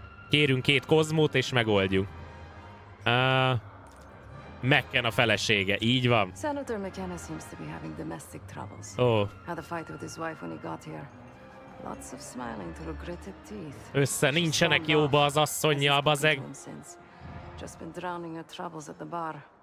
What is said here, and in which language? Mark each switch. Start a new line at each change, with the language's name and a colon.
Hungarian: Kérünk két kozmót és megoldjuk. McCann a felesége, így van.
English: Senator McCann seems to be having domestic troubles. Had a fight with his wife when he got here. Lots of smiling through gritted teeth.
Hungarian: Össze, nincsenek jóba az asszonyja, a bazeg.
English: Just been drowning her troubles at the bar.